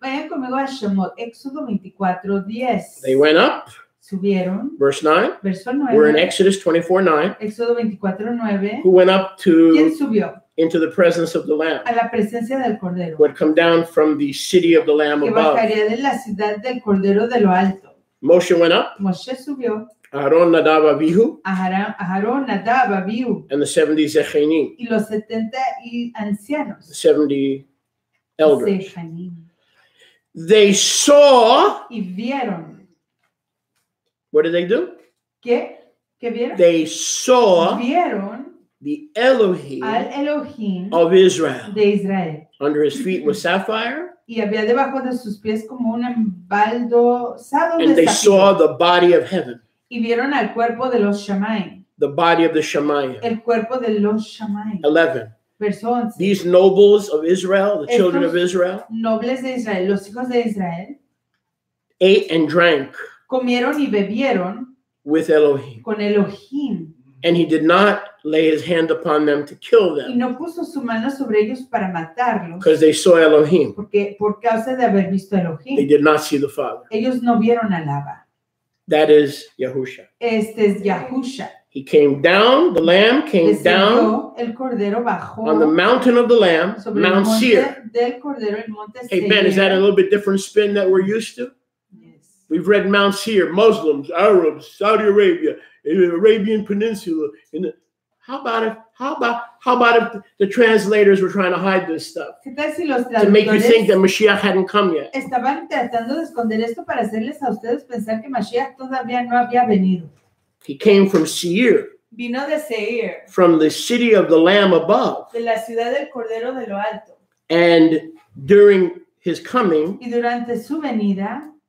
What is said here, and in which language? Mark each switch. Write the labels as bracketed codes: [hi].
[es] Vayan conmigo a Shemot, Éxodo 24:10. [en] They went up. [es] Subieron. [en] Verse 9. [es] Verso 9. [en] We're in Exodus 24:9. [es] Éxodo 24:9. [en] Who went up to. [es] ¿Quién subió? [en] Into the presence of the Lamb. [es] A la presencia del Cordero. [en] Who had come down from the city of the Lamb [es] que [en] above. [es] Que bajaría de la ciudad del Cordero de lo alto. [en] Moshe went up. [es] Moshe subió. [en] Aaron Nadab Abihu. [es] Aaron Nadab Abihu. [en] And the 70 Zechanim. [es] Y los 70 y ancianos. [en] The 70 elders. [he] Zechanim. [en] They saw. [es] Y vieron. [en] What did they do? [es] ¿Qué vieron? [en] They saw [es] vieron [en] the Elohim, [es] al Elohim [en] of Israel. [es] De Israel. [en] Under his feet was sapphire. [es] Y había debajo de sus pies como un embaldosado [en] and [es] de [en] they [es] zafiro. [en] Saw the body of heaven. [es] Y vieron al cuerpo de los Shamayim. [en] The body of the Shamayim. [es] El cuerpo de los Shamayim. [en] 11. [es] Verso 11. [en] These nobles of Israel, the children of Israel. [es] Nobles de Israel, los hijos de Israel. [en] Ate and drank. [es] Comieron y bebieron [en] with Elohim. [es] Con Elohim. [en] And he did not lay his hand upon them to kill them. [es] Y no puso su mano sobre ellos para matarlos. [en] Because they saw Elohim. [es] Porque por causa de haber visto Elohim. [en] They did not see the Father. [es] Ellos no vieron al Abba. [en] That is Yahusha. [es] Este es Yahusha. [en] He came down, the Lamb came [es] descendió, [en] down [es] el Cordero bajó [en] on the mountain of the Lamb, [es] sobre [en] Mount Seir. [es] Del Cordero, el Monte [en] hey Ben, is that a little bit different spin that we're used to? We've read Mount Seir, Muslims, Arabs, Saudi Arabia, Arabian Peninsula. In the, how about if the translators were trying to hide this stuff to make you think that Mashiach hadn't come yet? [es] Estaban tratando de esconder esto para hacerles a ustedes pensar que Mashiach todavía no había venido. [en] He came from Seir. [es] Vino de Seir. [en] From the city of the Lamb above. [es] De la ciudad del Cordero de lo alto. [en] And during his coming. Y durante su venida.